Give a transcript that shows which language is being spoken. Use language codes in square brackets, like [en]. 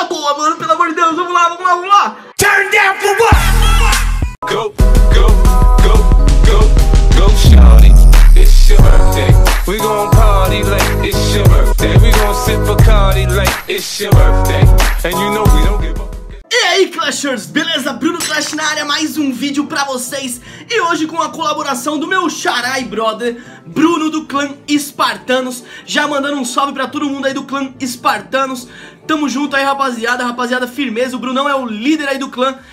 [pt] lá, mano, pelo amor de Deus, vamos lá, vamos lá, vamos lá. [en] Turn down for what? Go, go, go, go, go, shawty, it's your birthday. We gon' party like it's your birthday. We gon' sip a Cardi like it's your birthday. And you know we don't give up. [pt] E aí, Clashers, beleza? Bruno Clash na área, mais um vídeo pra vocês. E hoje com a colaboração do meu xarai brother, Bruno do clã Espartanos. Já mandando um salve pra todo mundo aí do clã Espartanos. Tamo junto aí, rapaziada, rapaziada, firmeza. O Brunão é o líder aí do clã.